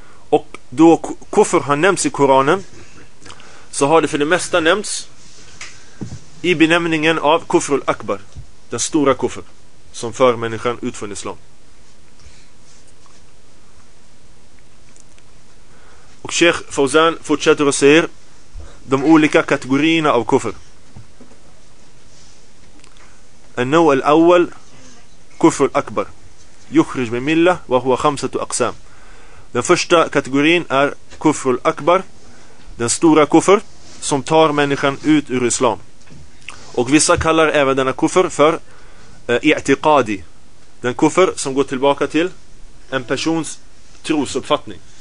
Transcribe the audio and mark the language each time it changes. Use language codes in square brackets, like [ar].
[sv] Och då kuffer har nämnts i Koranen, så har det för det mesta nämnts i benämningen av kufrul akbar, den stora kuffer som för människan ut från islam. Och Sheikh Fauzan fortsätter att säga de olika kategorierna av kuffer. [ar] النوع الأول كفر الأكبر يخرج من ملة وهو خمسة أقسام. [sv] Den första kategorin är كفر الأكبر, den stora kufr som tar människan ut ur islam. Och vissa kallar även denna kufr för i'tiqadi, den kufr som går tillbaka till en persons trosuppfattning.